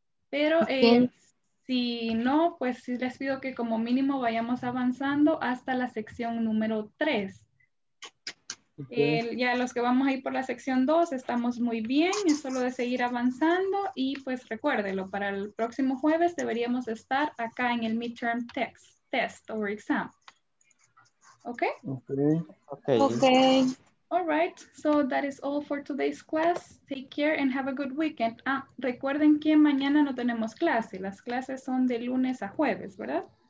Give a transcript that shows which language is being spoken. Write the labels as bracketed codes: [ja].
[es] Pero si no, pues sí les pido que como mínimo vayamos avanzando hasta la sección número 3. Okay. Ya los que vamos a ir por la sección 2 estamos muy bien, es solo de seguir avanzando y pues recuérdelo, para el próximo jueves deberíamos estar acá en el [en] midterm test or exam. Okay. All right, so that is all for today's class. Take care and have a good weekend. [es] Ah, recuerden que mañana no tenemos clase. Las clases son de lunes a jueves, ¿verdad?